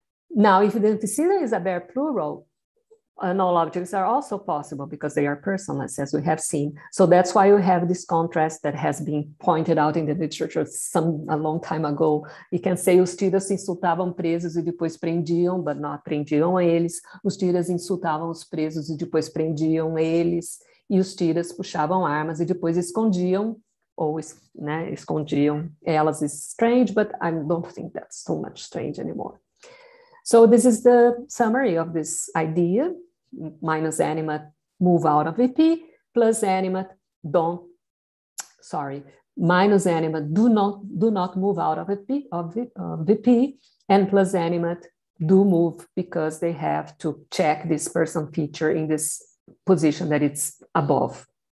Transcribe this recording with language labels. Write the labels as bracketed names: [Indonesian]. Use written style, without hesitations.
[English] Now, if the antecedent is a bare plural, null objects are also possible because they are personless, as we have seen. So that's why you have this contrast that has been pointed out in the literature a long time ago. You can say [Portuguese] os tiras insultavam presos e depois prendiam, [English] but not [Portuguese] prendiam eles. Os tiras insultavam os presos e depois prendiam eles. E os tiras puxavam armas e depois escondiam, ou né, escondiam elas. [English] Is strange, but I don't think that's too much strange anymore. So this is the summary of this idea. Minus animate move out of VP, plus animate don't, sorry, minus animate do not move out of VP, and plus animate do move because they have to check this person feature in this position that it's above.